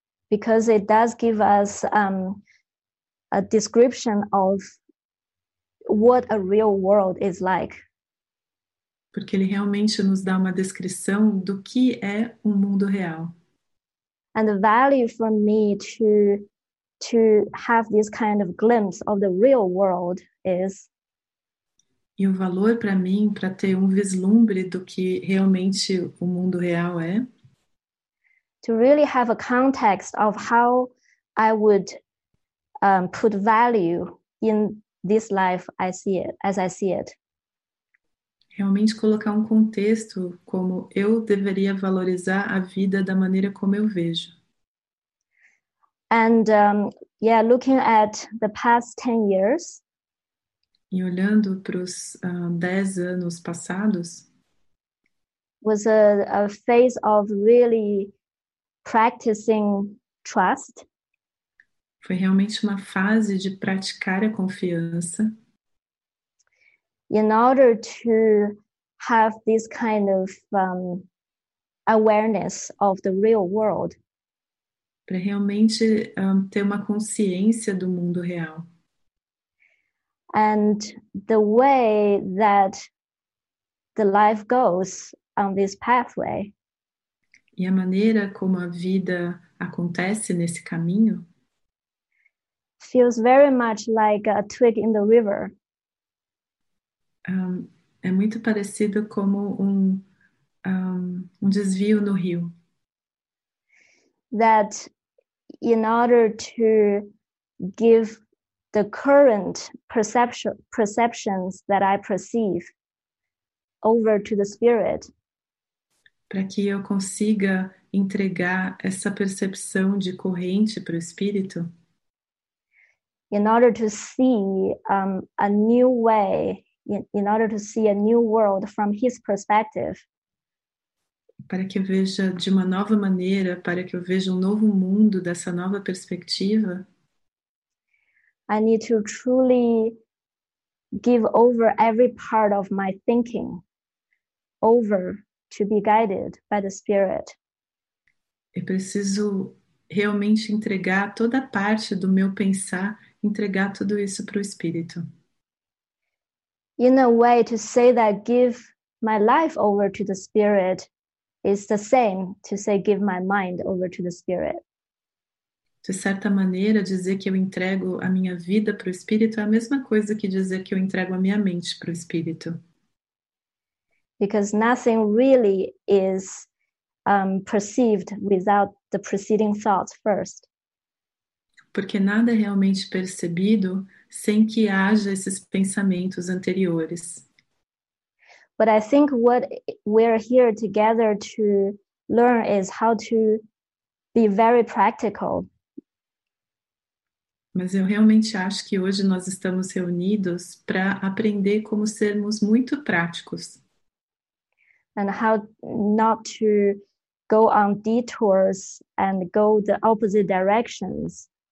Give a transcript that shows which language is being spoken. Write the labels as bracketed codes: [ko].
[en] Because it does give us a description of what a real world is like. [pt] Porque ele realmente nos dá uma descrição do que é mundo real. [en] And the value for me to have this kind of glimpse of the real world is. [pt] E o valor para mim para ter vislumbre do que realmente mundo real é. [en] To really have a context of how I would put value in this life as I see it. [pt] Realmente colocar contexto como eu deveria valorizar a vida da maneira como eu vejo. [en] And looking at the past 10 years. [pt] E olhando para os 10 anos passados. [en] Was a phase of really practicing trust. [pt] Foi realmente uma fase de praticar a confiança. [en] In order to have this kind of awareness of the real world. [pt] Para realmente ter uma consciência do mundo real. [en] And the way that the life goes on this pathway. [pt] E a maneira como a vida acontece nesse caminho. [en] Feels very much like a twig in the river. [pt] É muito parecido como um desvio no rio. [en] That in order to give the current perceptions that I perceive over to the spirit. [pt] Para que eu consiga entregar essa percepção de corrente para o espírito. [en] In order to see a new way, in order to see a new world from his perspective. [pt] Para que eu veja de uma nova maneira, para que eu veja novo mundo dessa nova perspectiva. [en] I need to truly give over every part of my thinking over to be guided by the spirit. [pt] Eu preciso realmente entregar toda parte do meu pensar entregar tudo isso para o Espírito. [en] In a way, to say that give my life over to the Spirit is the same to say give my mind over to the Spirit. [pt] De certa maneira, dizer que eu entrego a minha vida para o Espírito é a mesma coisa que dizer que eu entrego a minha mente para o Espírito. [en] Because nothing really is perceived without the preceding thoughts first. [pt] Porque nada é realmente percebido sem que haja esses pensamentos anteriores. [en] But I think what we're here together to learn is how to be very practical. [pt] Mas eu realmente acho que hoje nós estamos reunidos para aprender como sermos muito práticos. [en] And how not to go on detours and go the opposite directions.